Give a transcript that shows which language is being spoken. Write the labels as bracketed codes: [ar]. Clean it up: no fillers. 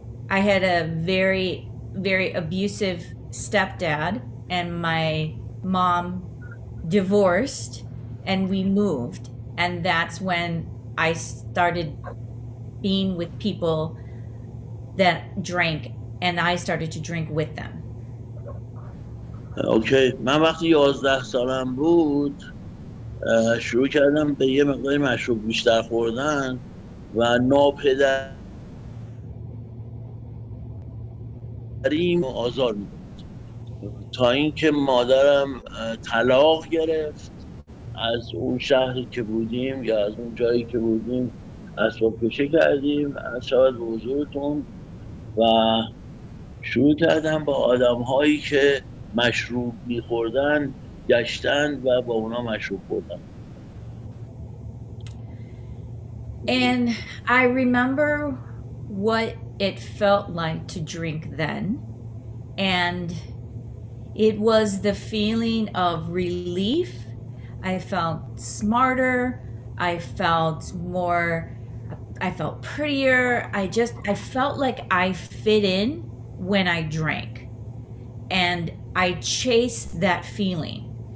[en] I had a very, very abusive stepdad and my mom divorced and we moved. And that's when I started being with people that drank and I started to drink with them. [fa] Okay, من وقتی 11 سالم بود شروع کردم به یه مقداری مشروب بیشتر خوردن و ناپدریم آزار می‌داد تا اینکه مادرم طلاق گرفت از اون شهری که بودیم یا از اون جایی که بودیم اسباب کشه کردیم از شاید به حضورتون و شروع کردم با آدم‌هایی که مشروب می‌خوردن گشتن و با اونا مشروب خوردن. [en] And I remember what it felt like to drink then, and it was the feeling of relief. I felt smarter, I felt more, I felt prettier, I felt like I fit in when I drank, and I chased that feeling.